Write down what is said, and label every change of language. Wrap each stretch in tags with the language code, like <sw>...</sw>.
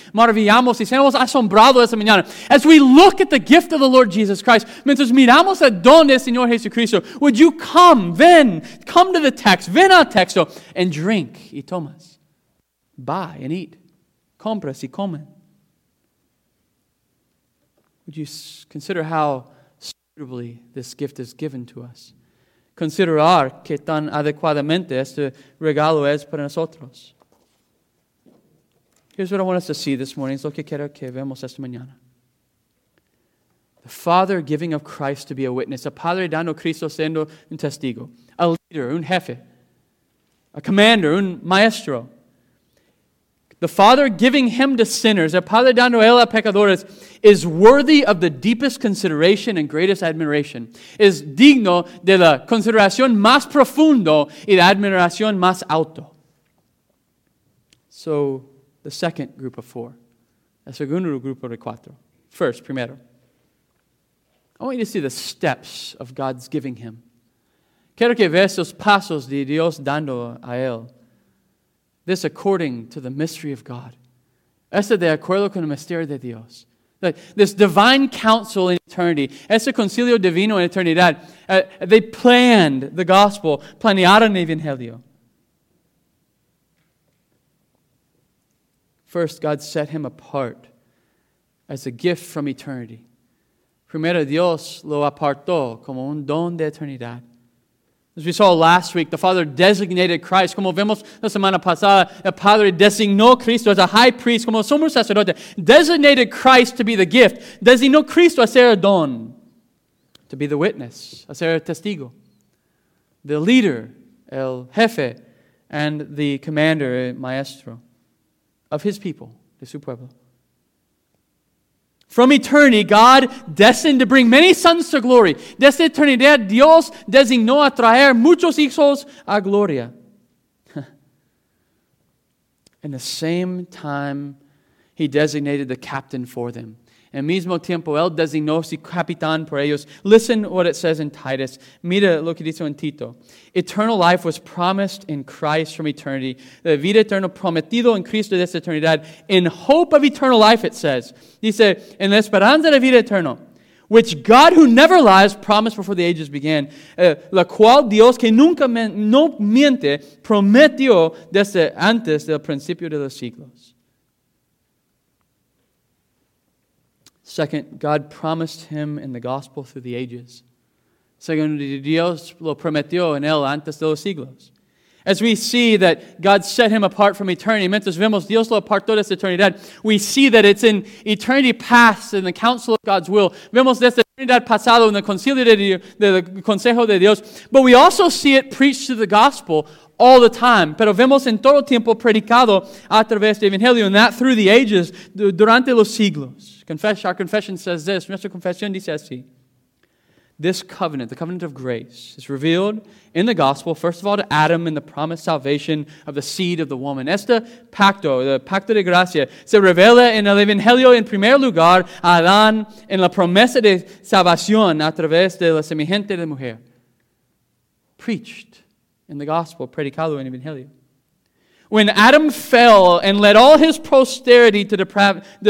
<es>Maravillamos y seamos asombrados esta mañana.</es> <en>As we look at the gift of the Lord Jesus Christ,</en> <es>mientras miramos el don del Señor Jesucristo,</es> <en>would you come,</en> <es>ven,</es> <en>come to the text,</en> <es>ven al texto,</es> <en>and drink</en> <es>y tomas.</es> <en>Buy and eat.</en> <es>Compras y comen.</es> <en>Would you consider how suitably this gift is given to us?</en> <es>Considerar qué tan adecuadamente este regalo es para nosotros.</es> <en>Here's what I want us to see this morning.</en> <es>Es lo que quiero que veamos esta mañana.</es> <en>The Father giving of Christ to be a witness.</en> <es>A Padre dando Cristo siendo un testigo.</es> <en>A leader,</en> <es>un jefe.</es> <en>A commander,</en> <es>un maestro.</es> <en>The Father giving him to sinners.</en> <es>A Padre dando él a pecadores.</es> <en>Is worthy of the deepest consideration and greatest admiration.</en> <es>Es digno de la consideración más profundo y la admiración más alto.</es> <en>So, the second group of four.</en> <es>El segundo grupo de cuatro.</es> <en>First,</en> <es>primero.</es> <en>I want you to see the steps of God's giving him.</en> <es>Quiero que veas los pasos de Dios dando a él.</es> <en>This according to the mystery of God.</en> <es>Este de acuerdo con el misterio de Dios.</es> <en>This divine counsel in eternity,</en> <es>ese concilio divino en eternidad,</es> <en>they planned the gospel,</en> <es>planearon el evangelio.</es> <en>First, God set him apart as a gift from eternity.</en> <es>Primero, Dios lo apartó como un don de eternidad.</es> <en>As we saw last week, the Father designated Christ. Como vemos la semana pasada, el Padre designó a Cristo as a high priest,</en> <es>como sumo sacerdote,</es> <en>designated Christ to be the gift,</en> <es>designó a Cristo a ser el don,</es> <en>to be the witness,</en> <es>a ser el testigo,</es> <en>the leader,</en> <es>el jefe,</es> <en>and the commander,</en> <es>el maestro,</es> <en>of his people,</en> <es>de su pueblo.</es> <en>From eternity, God destined to bring many sons to glory.</en> <es>Desde eternidad, Dios designó a traer muchos hijos a gloria.</es> <en>In the same time, he designated the captain for them.</en> <es>En mismo tiempo, él designó su capitán por ellos.</es> <en>Listen what it says in Titus.</en> <es>Mira lo que dice en Tito.</es> <en>Eternal life was promised in Christ from eternity.</en> <es>La vida eterna prometido en Cristo desde eternidad.</es> <en>In hope of eternal life, it says.</en> <es>Dice, en la esperanza de vida eterna.</es> <en>Which God, who never lies, promised before the ages began.</en> <es>La cual Dios, que nunca no miente, prometió desde antes del principio de los siglos.</es> <en>Second, God promised him in the gospel through the ages.</en> <es>Segundo, Dios lo prometió en él antes de los siglos.</es> <en>As we see that God set him apart from eternity,</en> <es>mientras vemos Dios lo apartó desde eternidad,</es> <en>we see that it's in eternity past in the counsel of God's will.</en> <es>Vemos desde eternidad pasado en el consejo de Dios.</es> <en>But we also see it preached through the gospel all the time.</en> <es>Pero vemos en todo tiempo predicado a través del Evangelio,</es> <en>and that through the ages,</en> <es>durante los siglos.</es> <en>Our confession says this.</en> <es>Nuestra confesión dice así.</es> <en>This covenant, the covenant of grace, is revealed in the gospel, first of all, to Adam in the promised salvation of the seed of the woman.</en> <es>Este pacto, the pacto de gracia, se revela en el Evangelio en primer lugar a Adán en la promesa de salvación a través de la semejante de mujer.</es> <en>Preached in the gospel,</en> <es>predicado en el Evangelio.</es> <en>When Adam fell and led all his posterity to depravity.</en>